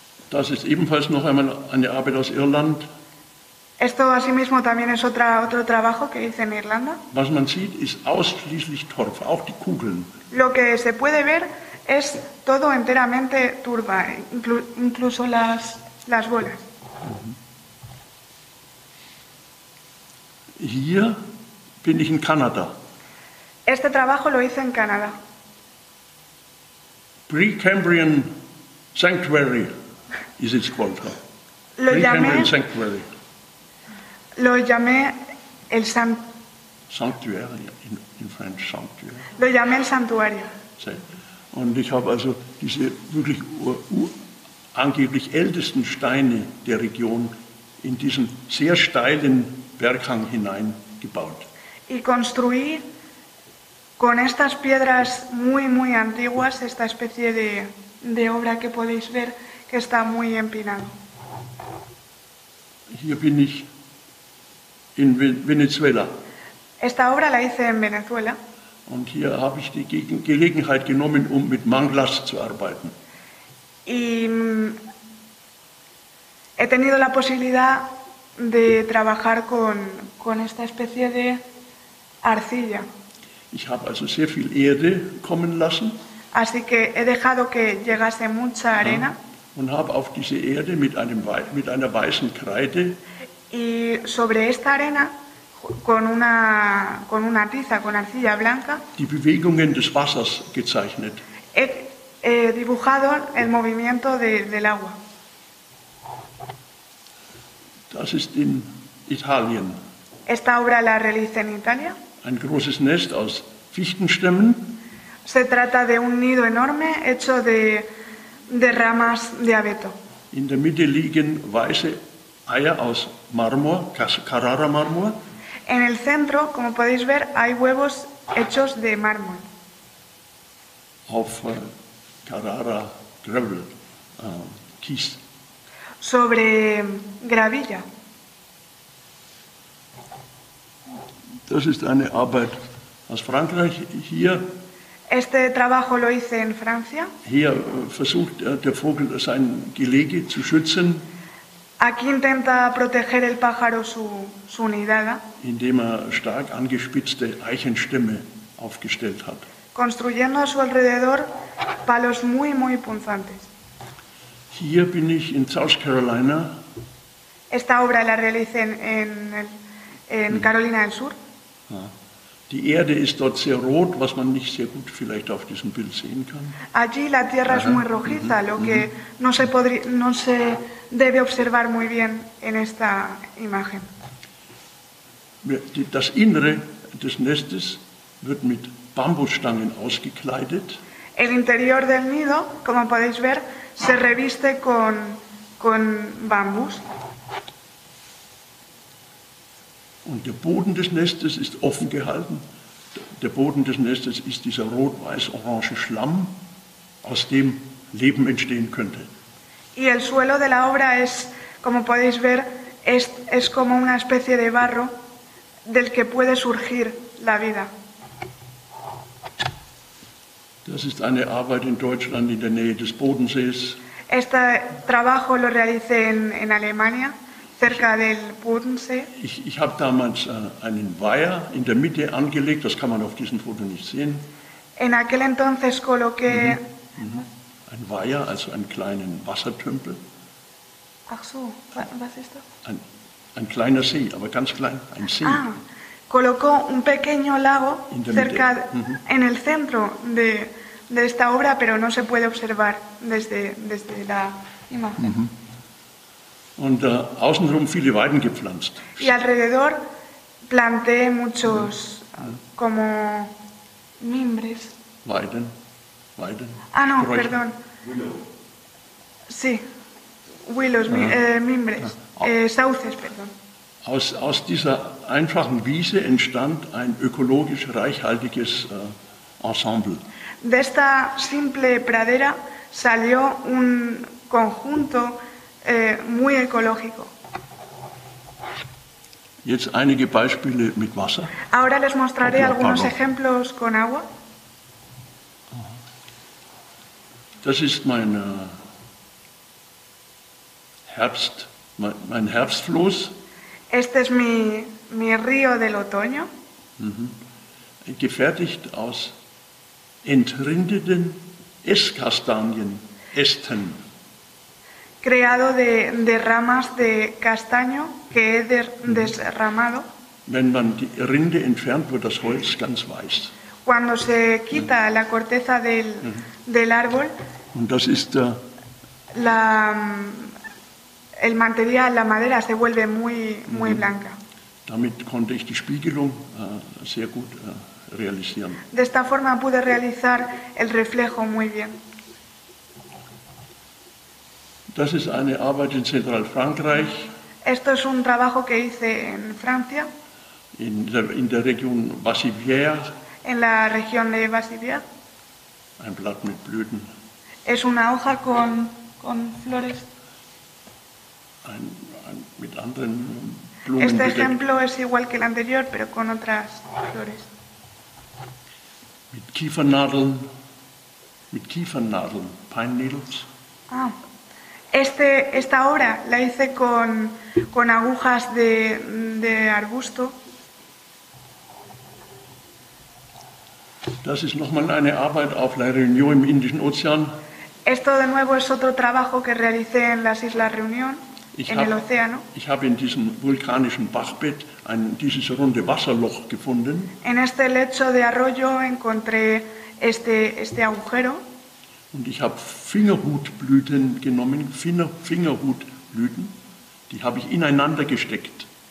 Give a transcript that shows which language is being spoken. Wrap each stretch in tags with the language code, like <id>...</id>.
<de>Das ist ebenfalls noch einmal eine Arbeit aus Irland.</de> <es>Esto asimismo también es otro trabajo que hice en Irlanda.</es> <de>Was man sieht, ist ausschließlich Torf, auch die Kugeln.</de> <es>Lo que se puede ver es todo enteramente turba, incluso las bolas.</es> <de>Hier bin ich in Kanada.</de> <es>Este trabajo lo hice en Canadá.</es> <en>Precambrian Sanctuary is its called.</en> <es>Lo llamé el</es> <en>Sanctuary in French Sanctuary.</en> <es>Lo llamé el santuario. Sí.</es> <de>Und ich habe also diese wirklich angeblich ältesten Steine der Region in diesen sehr steilen Berghang hinein gebaut.</de> <es>Y construí con estas piedras muy muy antiguas esta especie de obra que podéis ver que está muy empinado.</es> <de>Hier bin ich in Venezuela.</de> <es>Esta obra la hice en Venezuela.</es> <de>Und hier habe ich die Gelegenheit genommen, um mit Manglas zu arbeiten.</de> <es>Y he tenido la posibilidad de trabajar con esta especie de arcilla.</es> <de>Ich habe also sehr viel Erde kommen lassen.</de> <es>Así que he dejado que llegase mucha arena.</es> <de>Und habe auf diese Erde mit einer weißen Kreide.</de> <es>Y sobre esta arena con una tiza con arcilla blanca.</es> <de>Die Bewegungen des Wassers gezeichnet.</de> <es>He dibujado el movimiento del agua.</es> <de>Das ist in Italien.</de> <es>Esta obra la realicé en Italia.</es> <de>Ein großes Nest aus Fichtenstämmen.</de> <es>Se trata de un nido enorme hecho de ramas de abeto.</es> <de>In der Mitte liegen weiße Eier aus Marmor, Carrara Marmor.</de> <es>En el centro, como podéis ver, hay huevos hechos de mármol.</es> <de>Auf Carrara Gravel, Kies.</de> <es>Sobre gravilla.</es> <de>Das ist eine Arbeit aus Frankreich. Hier.</de> <es>Este trabajo lo hice en Francia.</es> <de>Hier versucht der Vogel sein Gelege zu schützen.</de> <es>Aquí intenta proteger el pájaro su nidada.</es> <de>Indem er stark angespitzte Eichenstämme aufgestellt hat.</de> <es>Construyendo a su alrededor palos muy, muy punzantes.</es> <de>Hier bin ich in South Carolina.</de> <es>Esta obra la realicé en Carolina del Sur. Ah.</es> <de>Die Erde ist dort sehr rot, was man nicht sehr gut vielleicht auf diesem Bild sehen kann.</de> <es>Allí la tierra es muy rojiza, lo que no se debe observar muy bien en esta imagen.</es> <de>Das Innere des Nestes wird mit Bambusstangen ausgekleidet.</de> <es>El interior del nido, como podéis ver, se reviste con bambús.</es> <de>Und der Boden des Nestes ist offen gehalten. Der Boden des Nestes ist dieser rot-weiß-orange Schlamm, aus dem Leben entstehen könnte.</de> <es>Y el suelo de la obra es, como podéis ver, es como una especie de barro del que puede surgir la vida.</es> <de>Das ist eine Arbeit in Deutschland in der Nähe des Bodensees.</de> <es>Este trabajo lo realicé en Alemania. Cerca del Bodensee.</es> <de>Ich habe damals einen Weiher in der Mitte angelegt, das kann man auf diesem Foto nicht sehen.</de> <es>En aquel entonces coloqué...</es> <de>Ein Weiher, also einen kleinen Wassertümpel. Ach so, was ist das? Ein kleiner See, aber ganz klein, ein See.</de> <es>Ah, colocó un pequeño lago</es> <de>in der</de> <es>cerca,</es> <de>Mitte.</de> <es>En el centro de esta obra, pero no se puede observar desde la imagen.</es> <de>Und außenrum viele Weiden gepflanzt.</de> <es>Y alrededor planté muchos como mimbres.</es> <de>Weiden.</de> <es>Ah, no, Gräuchen. Perdón. Sí. Willows, mimbres. Sauces, perdón.</es> <de>Aus dieser einfachen Wiese entstand ein ökologisch reichhaltiges Ensemble.</de> <es>De esta simple pradera salió un conjunto muy ecológico.</es> <de>Jetzt einige Beispiele mit Wasser.</de> <es>Ahora les mostraré algunos ejemplos con agua.</es> <de>Das ist mein Herbstfluss.</de> <es>Este es mi río del otoño.</es> <de>Gefertigt aus entrindeten Esskastanienästen.</de> <es>Creado de ramas de castaño que he desramado.</es> <de>Wenn man die Rinde entfernt, wird das Holz ganz weiß.</de> <es>Cuando se quita la corteza del árbol.</es> <de>Und das ist</de> <es>el material, la madera se vuelve muy muy blanca.</es> <de>Damit konnte ich die Spiegelung sehr gut realisieren.</de> <es>De esta forma pude realizar el reflejo muy bien.</es> <de>Das ist eine Arbeit in Zentralfrankreich.</de> <es>Esto es un trabajo que hice en Francia.</es> <de>In der Region Bassivière.</de> <es>En la región de Bassivière.</es> <de>Ein Blatt mit Blüten.</de> <es>Es una hoja con flores.</es> <de>Ein mit anderen Blumen.</de> <es>Este ejemplo es igual que el anterior, pero con otras flores.</es> <de>Mit Kiefernadeln,</de> <en>pine needles. Ah.</en> <es>Esta obra la hice con agujas de arbusto.</es> <de>Das ist nochmal eine Arbeit auf La Réunion im Indischen Ozean.</de> <es>Esto de nuevo es otro trabajo que realicé en las Islas Reunión, en el océano.</es> <de>Ich habe in diesem vulkanischen Bachbett dieses runde Wasserloch gefunden.</de> <es>En este lecho de arroyo encontré este agujero.</es> <de>Und ich habe Fingerhutblüten genommen, Fingerhutblüten, die habe ich ineinander gesteckt.</de>